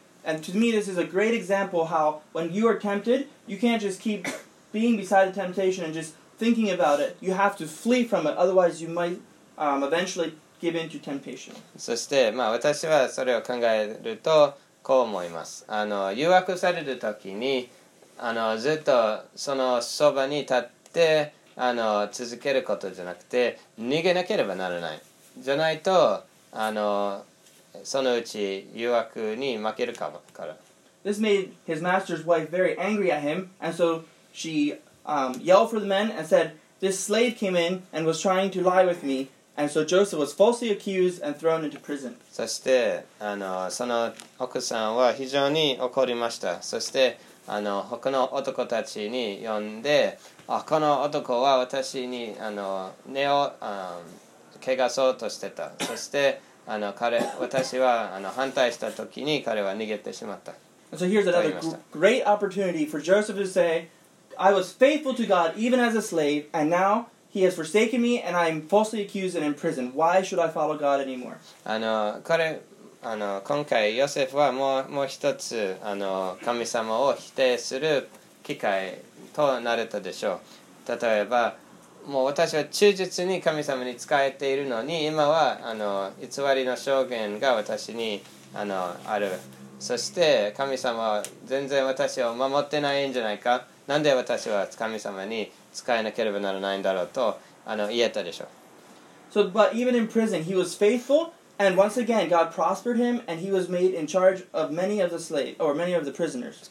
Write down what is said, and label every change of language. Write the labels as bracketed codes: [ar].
[en] And to me, this is a great example how when you are tempted, you can't just keep being beside the temptation and just thinking about it. You have to flee from it, otherwise you might eventually give in to temptation. [ja] そして、まあ、私はそれを考えるとこう思います。あの、誘惑されるときに、あの、ずっとそのそばに立って、あの、続けることじゃなくて、逃げなければならない。じゃないと、あの、そのうち誘惑に負けるかもから。 [en] This made his master's wife very angry at him, and so she, yelled for the men and said, "This slave came in and was trying to lie with me." And so Joseph was falsely accused and thrown into prison. [ja] そして、あの、その奥さんは非常に怒りました。そして、あの、他の男たちに呼んで、あ、この男は私に、あの、根を、怪我そうとしてた。そして、あの、彼、私は、あの、反対した時に彼は逃げてしまった。 [en] So here's another great opportunity for Joseph to say, I was faithful to God even as a slave, and now he has forsaken me, and I am falsely accused and in prison. Why should I follow God anymore? [ja] あの、彼、あの、今回、ヨセフはもう一つ、あの、神様を否定する機会となれたでしょう。例えば、もう私は忠実に神様に仕えているのに、今は、あの、偽りの証言が私に、あの、ある。そして神様は全然私を守ってないんじゃないか、なんで私は神様に使えなければならないんだろうと、あの、言えたでしょう。 [en] So, but even in prison, he was faithful, and once again, God prospered him, and he was made in charge of many of the slaves, or many of the prisoners.